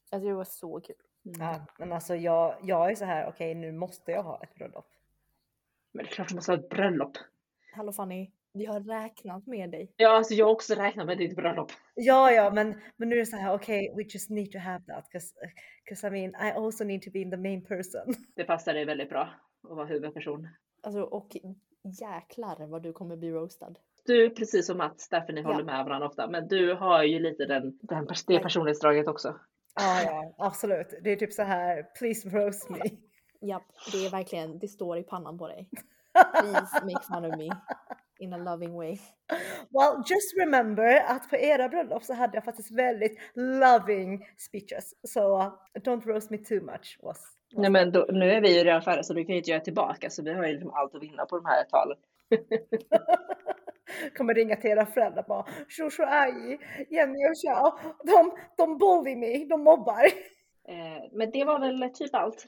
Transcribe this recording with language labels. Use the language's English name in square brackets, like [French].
[Swedish] Alltså det var så kul. Mm. Ja, men alltså jag är så här, okej, nu måste jag ha ett bröllop. Men det är klart att man måste ha ett bröllop. Hallå Fanny, vi har räknat med dig. Ja, alltså jag har också räknat med ditt bröllop. Ja, men nu är det så här, okej, [English] we just need to have that. Because I mean, I also need to be the main person. [Swedish] Det passar dig väldigt bra att vara huvudperson. Alltså, och jäklar vad du kommer bli roastad. Du, precis som Mats, Stephanie håller med varandra ofta. Men du har ju lite det personlighetsdraget också. Ja, absolut. Det är typ så här, [English] please roast me. [Swedish] Ja, det är verkligen, det står i pannan på dig. [English] Please make fun of me in a loving way. Well, just remember [Swedish] att på era bröllop så hade jag faktiskt väldigt [English] loving speeches. So don't roast me too much. [Swedish] Nej, men då, nu är vi ju redan färre så du kan ju inte göra tillbaka. Så vi har ju liksom allt att vinna på de här talen. Kommer ringa till era föräldrar och bara shushu aj, Jenny och Chao, [English] de bully me, [Swedish] de mobbar. Men det var väl typ allt.